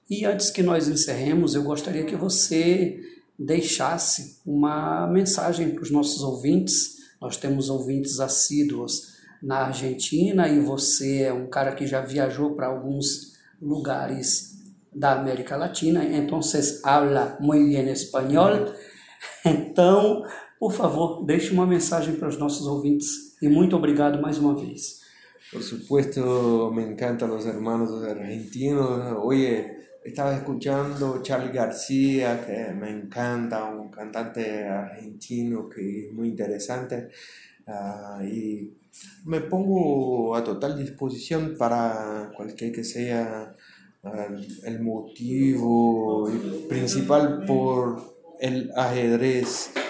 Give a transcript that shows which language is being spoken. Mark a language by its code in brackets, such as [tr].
[pt] E antes que nós encerremos, eu gostaria que você deixasse uma mensagem para os nossos ouvintes. Nós temos ouvintes assíduos na Argentina e você é um cara que já viajou para alguns lugares da América Latina. Então, [es] habla muy bien español. [pt] Então, por favor, deixe uma mensagem para os nossos ouvintes e muito obrigado mais uma vez. [es] Por supuesto, me encantan los hermanos argentinos. Oye, estaba escuchando Charly García, que me encanta, un cantante argentino que es muy interesante. Y me pongo a total disposición para cualquier que sea el motivo principal por el ajedrez.